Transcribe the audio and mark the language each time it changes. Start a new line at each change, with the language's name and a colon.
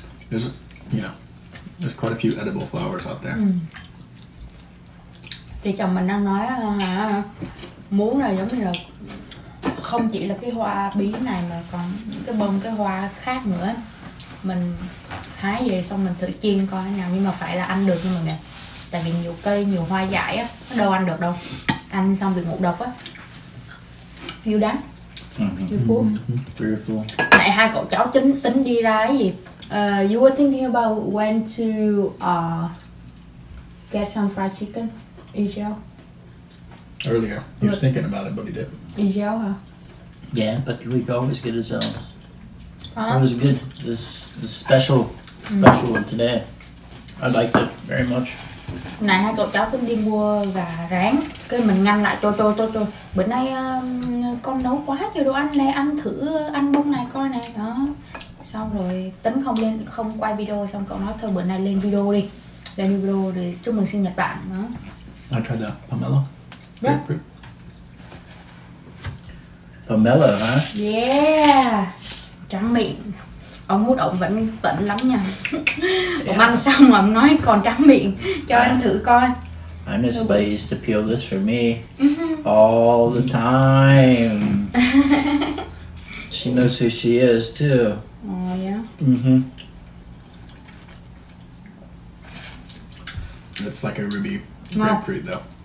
English: There's, you know, there's quite a few edible flowers out there.
Vietnamese: Thì chồng mình đang nói hả? Muốn là giống như là không chỉ là cái hoa bí này mà còn những cái bông, cái hoa khác nữa. Mình hái về xong mình thử chiên coi nào, nhưng mà phải là ăn được nha mọi người. Tại vì nhiều cây, nhiều hoa dại á, nó đâu ăn được đâu. Ăn xong bị ngộ độc á. Yêu đắng.
English: Beautiful.
Vietnamese: Này hai cậu cháu tính đi ra cái gì?
English: You were thinking about when to get some fried chicken, Israel? Earlier, he was thinking about it, but he didn't. Israel, huh? Yeah, but we could always get ourselves. It was good. This special one today. I liked it very much.
Vietnamese: Này hai cậu cháu tính đi mua gà rán. Cái mình ngăn lại cho. Bữa nay con nấu quá nhiều đồ ăn này, ăn thử ăn bông này coi này đó. Xong rồi tính không lên, không quay video, xong cậu nói thôi bữa nay lên video đi. Lên video để chúc mừng sinh nhật bạn đó.
English: I tried the pomelo. Yeah. Pomelo, huh?
Vietnamese: Yeah. Tráng miệng. Ông hút ổng vẫn tỉnh lắm nha. Ông ăn xong mà ông nói còn tráng miệng. Cho anh thử coi.
English: I know somebody used to peel this for me all the time. She knows who she is too. Oh yeah. Mhm. It's like a ruby grapefruit though.